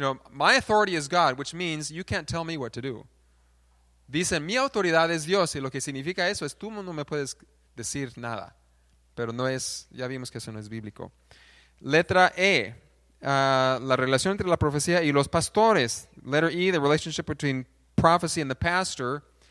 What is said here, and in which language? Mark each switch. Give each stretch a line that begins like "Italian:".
English: My authority is God, which means you can't tell me what to do.
Spanish: Dicen, mi autoridad es Dios, y lo que significa eso es, tú no me puedes decir nada. Pero no es, ya vimos que eso no es bíblico. Letra E, la relación entre la profecía y los pastores.
English: Letter E, the relationship between prophecy and the pastor.